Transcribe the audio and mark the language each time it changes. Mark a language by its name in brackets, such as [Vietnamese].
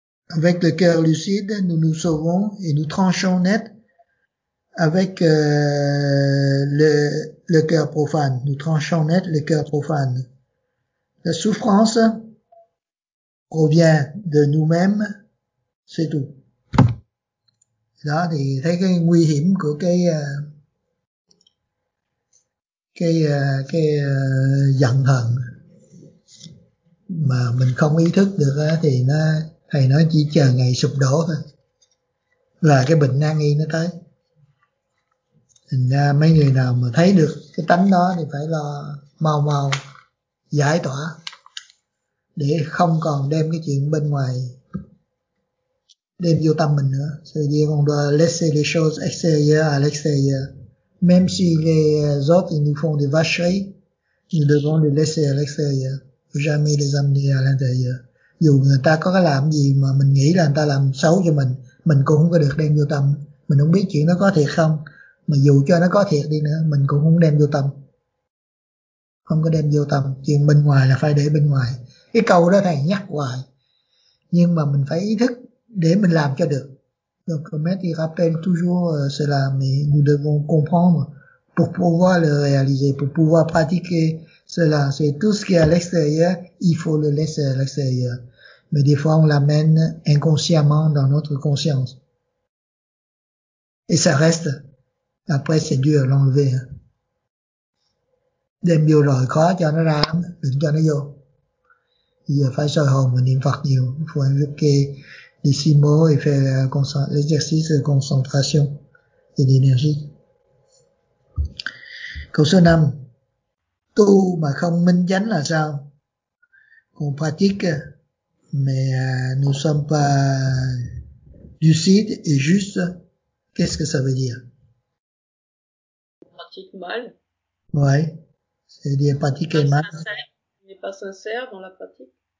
[French] Avec le cœur lucide, nous nous sauvons et nous tranchons net avec le cœur profane. Nous tranchons net le cœur profane. La souffrance provient de nous-mêmes, c'est tout. [Vietnamese] Là, thì thấy cái nguy hiểm của cái giận hờn. Mà mình không ý thức được á, thì nó, thầy nói chỉ chờ ngày sụp đổ thôi là cái bệnh nan y nó tới. Thành ra mấy người nào mà thấy được cái tánh đó thì phải lo mau mau giải tỏa để không còn đem cái chuyện bên ngoài đem vô tâm mình nữa. Sự việc [French] on doit laisser les choses extérieures à l'extérieur. Même si les autres nous font des vacheries, nous devons les laisser à l'extérieur. Jamais les amener à l'intérieur. [Vietnamese] Dù người ta có cái làm gì mà mình nghĩ là người ta làm xấu cho mình cũng không có được đem vô tâm. Mình không biết chuyện nó có thiệt không. Mà dù cho nó có thiệt đi nữa, mình cũng không đem vô tâm. Không có đem vô tâm. Chuyện bên ngoài là phải để bên ngoài. Cái câu đó thầy nhắc hoài. Nhưng mà mình phải ý thức để mình làm cho được. [French] Donc, le maître, il rappelle toujours cela, mais nous devons comprendre pour pouvoir le réaliser, pour pouvoir pratiquer cela. C'est tout ce qui est à l'extérieur, il faut le laisser à l'extérieur. Mais des fois, on l'amène inconsciemment dans notre conscience. Et ça reste. Après, c'est dur à l'enlever. [Vietnamese] Đem vô rồi, khó cho nó ra, đừng cho nó vô. Bây giờ phải soi hồn và niệm Phật nhiều. [French] Faut invoquer les six mots et faire l'exercice de concentration et d'énergie. [Vietnamese] Câu số 5. Tu mà không minh chánh là sao? [French] Qu'on pratique, mais nous sommes pas lucides et justes. Qu'est-ce que ça veut dire? Pratique mal. Ouais. C'est-à-dire pratiquer mal. Sincère. N'est pas sincère dans la pratique.